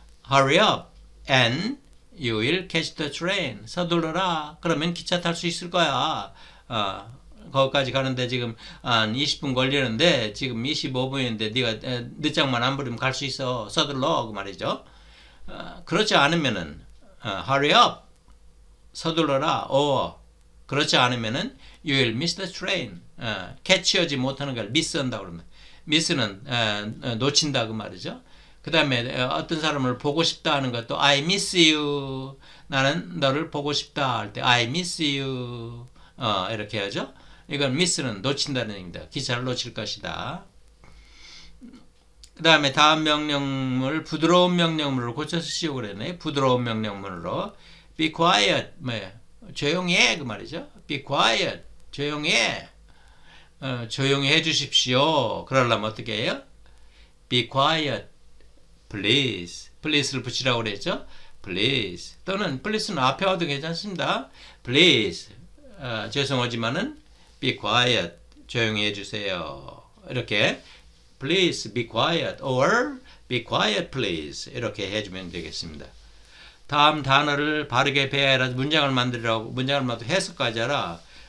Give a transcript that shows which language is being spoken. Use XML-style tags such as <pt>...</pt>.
<en>hurry up and you will catch the train.</en> <ko>서둘러라. 그러면 기차 탈 수 있을 거야. 거기까지 가는데 지금 한 20분 걸리는데 지금 25분인데 네가 늦장만 안 부리면 갈 수 있어. 서둘러 그 말이죠. 그렇지 않으면은</ko> <en>hurry up</en> <ko>서둘러라.</ko> <en>or</en> <ko>그렇지 않으면은</ko> <en>you will miss the train.</en> <ko>catch하지 못하는 걸 miss한다 그러면 miss는 놓친다 그 말이죠. 그 다음에 어떤 사람을 보고 싶다 하는 것도</ko> <en>I miss you.</en> <ko>나는 너를 보고 싶다 할 때</ko> <en>I miss you.</en> <ko>이렇게 하죠. 이건 miss는 놓친다는 얘기입니다. 기차를 놓칠 것이다. 그 다음에 다음 명령문을 부드러운 명령문으로 고쳐서 쓰시오 그랬네. 부드러운 명령문으로</ko> <en>be quiet.</en> <ko>뭐예요? 조용히 해. 그 말이죠.</ko> <en>be quiet.</en> <ko>조용히 해. 조용히 해 주십시오. 그러려면 어떻게 해요?</ko> <en>be quiet. please.</en> <ko>please를 붙이라고 그랬죠.</ko> <en>please.</en> <ko>또는 please는 앞에 와도 괜찮습니다.</ko> <en>please.</en> <ko>죄송하지만은 be quiet. 조용히 해주세요.</ko> <en>이렇게 please be quiet or be quiet please</en> <ko>이렇게 해주면 되겠습니다. 다음 단어를 바르게 배워야 문장을 만들라고 문장을 만들 해석까지 하라.</ko>